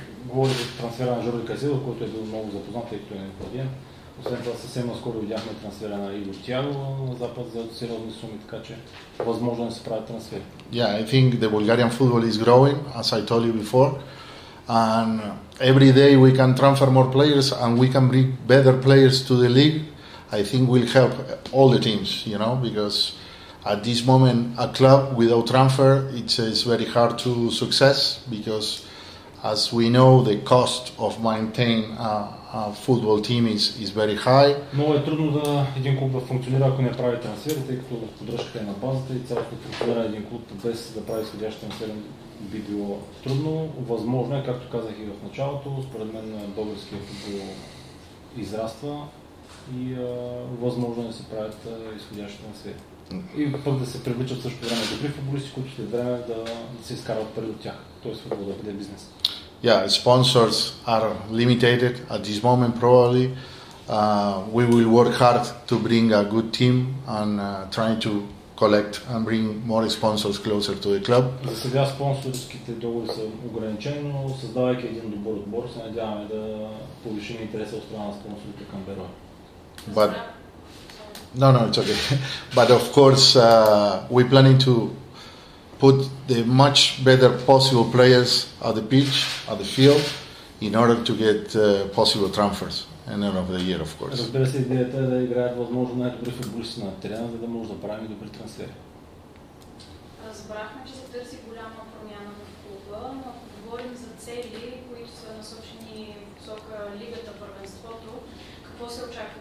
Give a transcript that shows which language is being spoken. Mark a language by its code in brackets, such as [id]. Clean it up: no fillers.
[bg] говори за трансфера на Жорди Каседо, който е бил много запознат, тъй като е неплатен. Освен това, съвсем скоро видяхме трансфера на Игор Тиаго на Запад за сериозни суми, така че възможно да се правят трансфери. [en] Yeah, I think the Bulgarian football is growing, as I told you before. And every day we can transfer more players and we can bring better players to the league. I think will help all the teams, you know, because at this moment a club without transfer, it's very hard to success because as we know, the cost of maintaining a football team is very high. [bg] Много е трудно да един клуб да функционира, ако не прави трансфери, тъй като поддръжката е на базата и цялото функциониране на един клуб без да прави изходящи трансфери би било трудно. Възможно е, както казах и в началото, според мен българският футбол израства и възможно е да се правят изходящи трансфери. И пък да се привличат също време добри футболисти, които след време да се изкарват пари от тях. Тоест футбол да бъде бизнес. [en] Yeah, sponsors are limited at this moment probably. We will work hard to bring a good team and trying to collect and bring more sponsors closer to the club. [bg] За сега спонсорските договори са ограничени, но създавайки един добър отбор, се надяваме да повишим интереса от страна на спонсорите към Берое. [en] But no, it's okay. But of course, we planning to put the much better possible players at the pitch, at the field, in order to get possible transfers in the end of the year, of course. [bg] Разбира се, идеята е да играят възможно най-добри футболисти на терена, за да може да правим добри трансфери. Разбрахме, че се търси голяма промяна в клуба, но ако говорим за цели, които са насочени в посока лигата, първенството, какво се очаква?